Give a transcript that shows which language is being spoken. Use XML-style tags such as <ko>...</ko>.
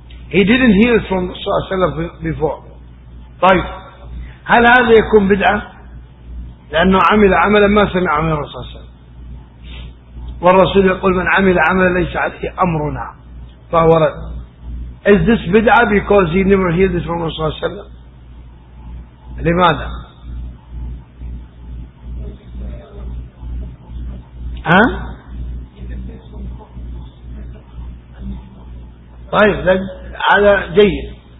<en>He didn't hear from صلى الله عليه وسلم before.</en> <ar>طيب هل هذا يكون بدعة؟ لأنه عمل عملا ما سمع من الرسول صلى الله عليه وسلم. والرسول يقول من عمل عملا ليس عليه أمرنا فهو رد.</ar> <en>Is this bid'ah because he never heard this from الرسول صلى الله عليه وسلم؟</en> <ar>لماذا؟ طيب على جيد.</ar>